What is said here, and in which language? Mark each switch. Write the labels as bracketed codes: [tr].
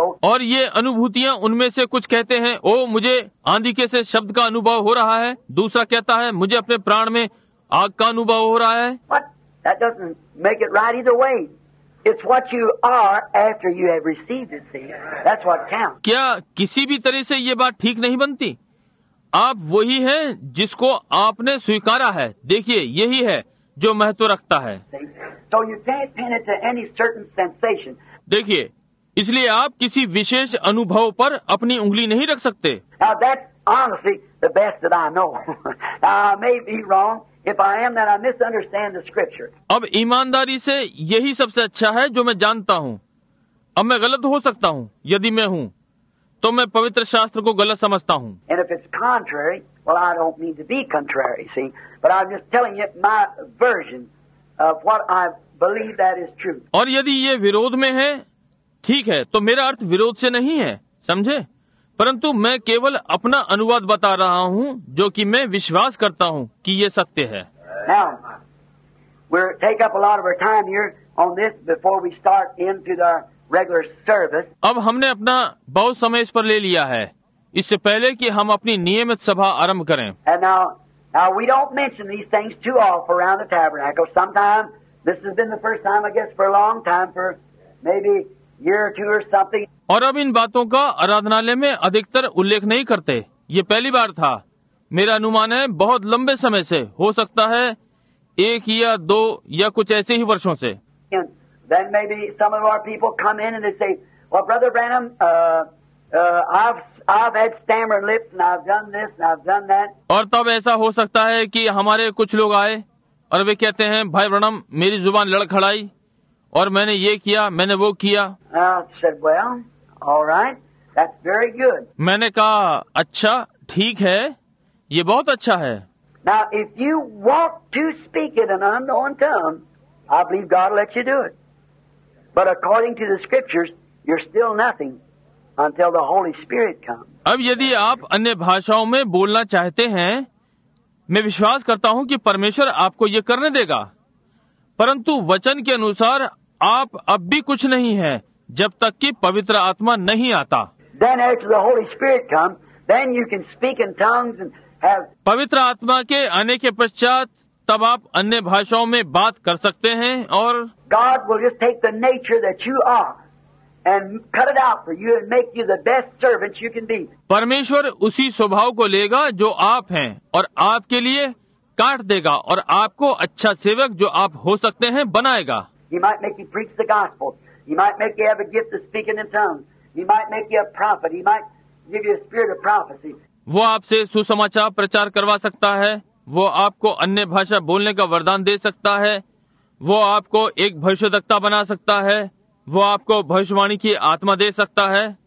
[hi] और ये अनुभूतियाँ उनमें से कुछ कहते हैं, ओ मुझे आंधी के से शब्द का अनुभव हो रहा है, दूसरा कहता है मुझे अपने प्राण में आग का अनुभव हो रहा है. [en] But that doesn't make it right either way. It's what you are after you have received it, see. That's what counts. [hi] क्या किसी भी तरह से ये बात ठीक नहीं बनती? आप वही हैं जिसको आपने स्वीकारा है. देखिए, यही है जो महत्व रखता है. [en] So you can't pin it to any certain sensation. [hi] देखिए, इसलिए आप किसी विशेष अनुभव पर अपनी उंगली नहीं रख सकते. [en] Now that's honestly the best that I know. I may be wrong. If I am, then I misunderstand the scripture. [hi] अब ईमानदारी से यही सबसे अच्छा है जो मैं जानता हूँ. अब मैं गलत हो सकता हूँ. यदि मैं हूँ तो मैं पवित्र शास्त्र को गलत समझता हूँ. [en] And if it's contrary, well, I don't mean to be contrary, see, but I'm just telling you my version of what I believe that is true. [hi] और यदि ये विरोध में है, ठीक है, तो मेरा अर्थ विरोध से नहीं है, समझे? परंतु मैं केवल अपना अनुवाद बता रहा हूँ जो कि मैं विश्वास करता हूँ कि ये सत्य है. [en] Now, we'll take up a lot of our time here on this before we start into the regular service. [hi] अब हमने अपना बहुत समय इस पर ले लिया है, इससे पहले कि हम अपनी नियमित सभा आरंभ करें. [en] And now we don't mention these things too often around the tabernacle. Sometimes this has been the first time, I guess, for a long time, for maybe year or two or something. [hi] और अब इन बातों का आराधनालय में अधिकतर उल्लेख नहीं करते. ये पहली बार था. मेरा अनुमान है बहुत लंबे समय से, हो सकता है एक या दो या कुछ ऐसे ही वर्षों से. [en] Then maybe some of our people come in and they say, well, Brother Branham, I've had stammered lips and I've done this and I've done that. [hi] और तब ऐसा हो सकता है कि हमारे कुछ लोग आए और वे कहते हैं, भाई ब्रनम, मेरी जुबान लड़खड़ाई और मैंने ये किया, मैंने वो किया. [en] Said, well, all right, that's very good. [hi] मैंने कहा, अच्छा, ठीक है, ये बहुत अच्छा है. [en] Now, if you walk to speak in an unknown tongue, I believe God will let you do it. But according to the scriptures, you're still nothing until the Holy Spirit comes. [hi] अब यदि आप अन्य भाषाओं में बोलना चाहते हैं, मैं विश्वास करता हूँ कि परमेश्वर आपको ये करने देगा. परंतु वचन के अनुसार आप अब भी कुछ नहीं हैं जब तक कि पवित्र आत्मा नहीं आता. [en] Then after the Holy Spirit comes, then you can speak in tongues and have. [hi] पवित्र आत्मा के आने के पश्चात तब आप अन्य भाषाओं में बात कर सकते हैं और [en] God will just take the nature that you are and cut it out for you and make you the best servant you can be. [hi] परमेश्वर उसी स्वभाव को लेगा जो आप हैं और आपके लिए काट देगा और आपको अच्छा सेवक जो आप हो सकते हैं बनाएगा. [en] He might make you preach the gospel. He might make you have a gift of speaking in tongues. He might make you a prophet. He might give you a spirit of prophecy. [hi] वो आपसे सुसमाचार प्रचार करवा सकता है. वो आपको अन्य भाषा बोलने का वरदान दे सकता है. वो आपको एक भविष्यद्वक्ता बना सकता है. वो आपको भविष्यवाणी की आत्मा दे सकता है.